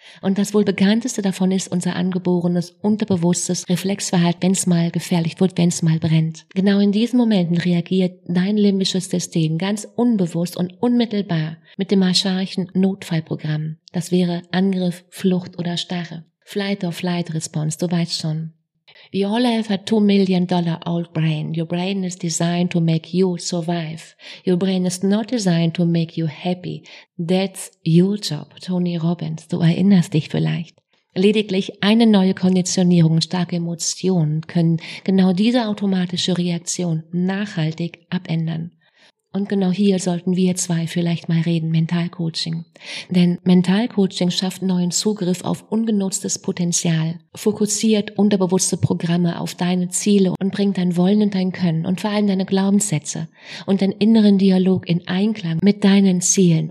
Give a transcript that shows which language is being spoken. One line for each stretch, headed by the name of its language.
German: Und das wohl bekannteste davon ist unser angeborenes, unterbewusstes Reflexverhalten, wenn's mal gefährlich wird, wenn's mal brennt. Genau in diesen Momenten reagiert dein limbisches System ganz unbewusst und unmittelbar mit dem archaischen Notfallprogramm. Das wäre Angriff, Flucht oder Starre. Flight or Flight Response, du weißt schon.
English: We all have a $2 million old brain. Your brain is designed to make you survive. Your brain is not designed to make you happy. That's your job, Tony Robbins.
German: Du erinnerst dich vielleicht. Lediglich eine neue Konditionierung und starke Emotionen können genau diese automatische Reaktion nachhaltig abändern. Und genau hier sollten wir zwei vielleicht mal reden, Mentalcoaching. Denn Mentalcoaching schafft neuen Zugriff auf ungenutztes Potenzial, fokussiert unterbewusste Programme auf deine Ziele und bringt dein Wollen und dein Können und vor allem deine Glaubenssätze und deinen inneren Dialog in Einklang mit deinen Zielen.